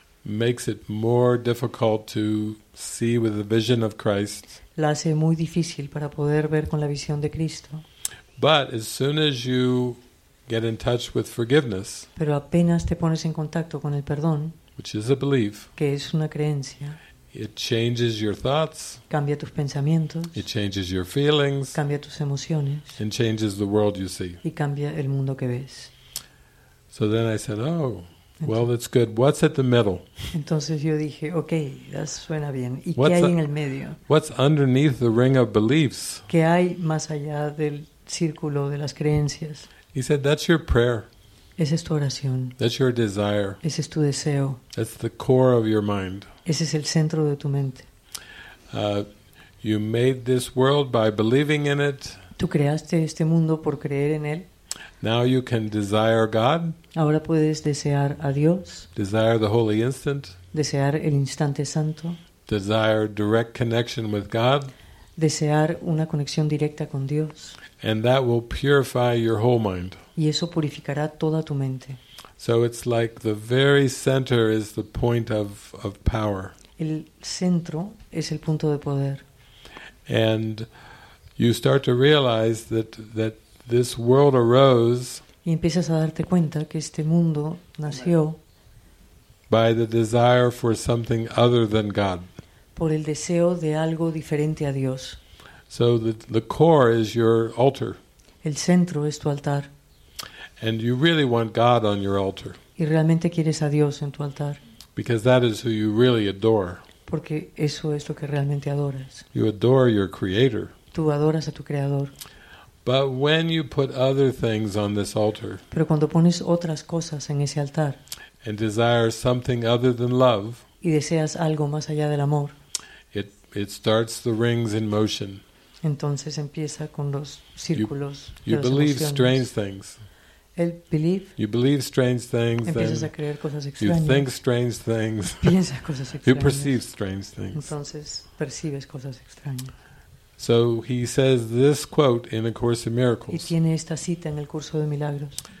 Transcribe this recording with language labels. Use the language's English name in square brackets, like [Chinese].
[English] makes it more difficult to see with the vision of Christ, [Spanish] la hace muy difícil para poder ver con la visión de Cristo. [English] But as soon as you get in touch with forgiveness, [Spanish] pero apenas te pones en contacto con el perdón, [English] which is a belief, [Spanish] que es una creencia, [English] it changes your thoughts, [Spanish] cambia tus pensamientos, [English] it changes your feelings, [Spanish] cambia tus emociones, [English] and changes the world you see, [Spanish] y cambia el mundo que ves. [English] So then I said, oh, well, that's good. What's at the middle? [Spanish] Entonces yo dije, okay, that suena bien. ¿Y qué hay en el medio? [English] What's underneath the ring of beliefs? [Spanish] ¿Qué hay más allá del círculo de las creencias? [English] He said, that's your prayer. [Spanish] Esa es tu oración. [English] That's your desire. [Spanish] Ese es tu deseo. [English] That's the core of your mind. [Spanish] Ese es el centro de tu mente. [English] You made this world by believing in it. [Spanish] Tú creaste este mundo por creer en él. [English] Now you can desire God. [Spanish] Ahora puedes desear a Dios. [English] Desire the holy instant. [Spanish] Desear el instante santo. [English] Desire direct connection with God. [Spanish] Desear una conexión directa con Dios. [English] And that will purify your whole mind. [Spanish] Y eso purificará toda tu mente. [English] So it's like the very center is the point of power. [Spanish] El centro es el punto de poder. [English] And you start to realize that this world arose. [Spanish] Y empiezas a darte cuenta que este mundo nació. [English] By the desire for something other than God. [Spanish] Por el deseo de algo diferente a Dios. [English] So the core is your altar. [Spanish] El centro es tu altar. [English] And you really want God on your altar. [Spanish] Y realmente quieres a Dios en tu altar. [English] Because that is who you really adore. [Spanish] Porque eso es lo que realmente adoras. [English] You adore your creator. [Spanish] Tú adoras a tu creador. [English] But when you put other things on this altar, [Spanish] pero cuando pones otras cosas en ese altar, [English] and desire something other than love, [Spanish] y deseas algo más allá del amor, [English] it starts the rings in motion. [Spanish] Entonces empieza con los círculos. [English] You believe strange things. You believe strange things. [Spanish] Empiezas a creer cosas extrañas. [English] You think strange things. [Spanish] Piensas cosas extrañas. [English] You perceive strange things. [Spanish] Entonces percibes cosas extrañas. [English] So he says this quote in A Course in Miracles. [Spanish] Y tiene esta cita en el curso de milagros.